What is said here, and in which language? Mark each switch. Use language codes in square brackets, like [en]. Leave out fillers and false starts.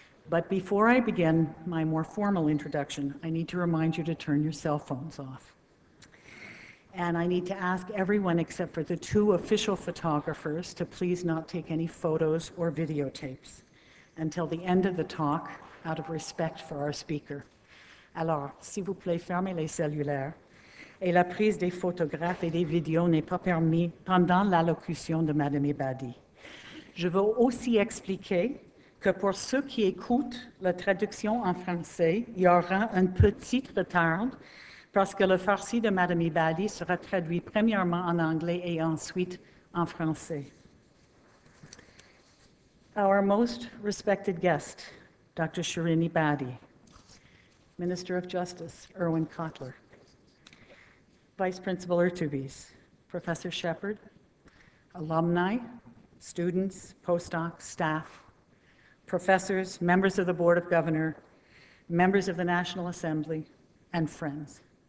[en] But before I begin my more formal introduction, I need to remind you to turn your cell phones off. And I need to ask everyone except for the two official photographers to please not take any photos or videotapes until the end of the talk, out of respect for our speaker. [fr] Alors, s'il vous plaît, fermez les cellulaires. Et la prise des photographes et des vidéos n'est pas permise pendant l'allocution de Madame Ebadi. Je veux aussi expliquer que pour ceux qui écoutent la traduction en français, il y aura un petit retard parce que le farsi de Madame Ebadi sera traduit premièrement en anglais et ensuite en français. [en] Our most respected guest, Dr. Shirin Ebadi, Minister of Justice Erwin Kotler, Vice Principal Ertubis, Professor Shepherd, alumni, students, postdocs, staff, professors, members of the Board of Governor, members of the National Assembly, and friends.